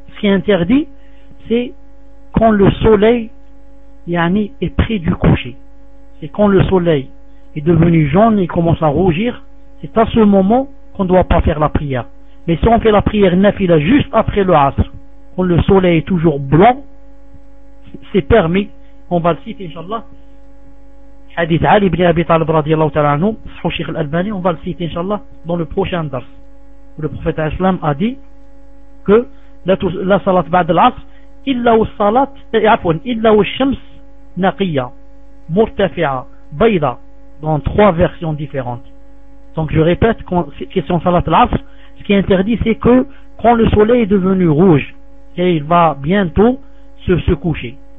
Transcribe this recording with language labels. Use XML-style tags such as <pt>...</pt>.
<fr>Ce qui est interdit, c'est quand le soleil yani, est près du coucher. C'est quand le soleil est devenu jaune et commence à rougir, c'est à ce moment qu'on ne doit pas faire la prière. Mais si on fait la prière nafila juste après l'asr, quand le soleil est toujours blanc, c'est permis. On va le citer, Inch'Allah.</fr> <ar>حديث علي بن أبي طالب رضي الله تعالى عنه صحو الشيخ الألباني</ar> <fr>on va le citer inshallah dans le prochain dars. Le prophète islam a dit que la salat</fr> <ar>بعد العصر إلا والصلاة عفوا إلا والشمس نقية مرتفعة بيضة</ar> <fr>dans trois versions différentes. Donc je répète, question salat al-asr, ce qui est interdit c'est que quand le soleil est devenu rouge et il va bientôt se coucher.</fr>